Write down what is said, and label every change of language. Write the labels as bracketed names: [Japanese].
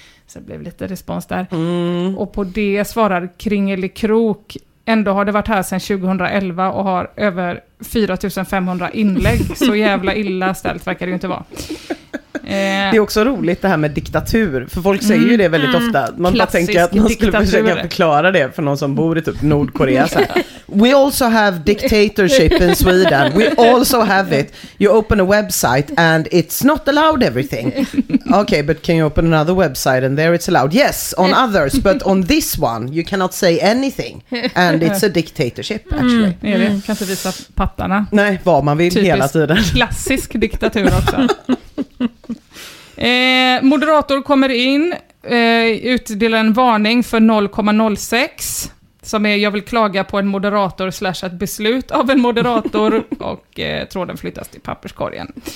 [Swedish] Så det blev lite respons där. Och på det svarar Kringelig Krok: ändå har det varit här sedan 2011 och har över 4500 inlägg. Så jävla illa ställt verkar det ju inte vara. Det är också roligt det här med diktatur. För folk säger ju det väldigt ofta. Man bara tänker att man skulle försöka förklara det för någon som bor i typ Nordkorea. Så här. [English] We also have dictatorship in Sweden. We also have it. You open a website and it's not allowed everything. Okay, but can you open another website and there it's allowed? Yes, on others, but on this one you cannot say anything. And it's a dictatorship actually. [Swedish] Mm, det kanske visa pattarna. Nej, vad man vill typisk, hela tiden. Klassisk diktatur också. Moderator kommer in, utdelar en varning för 0,06 som är jag vill klaga på en moderator slash ett beslut av en moderator och tråden flyttas till papperskorgen.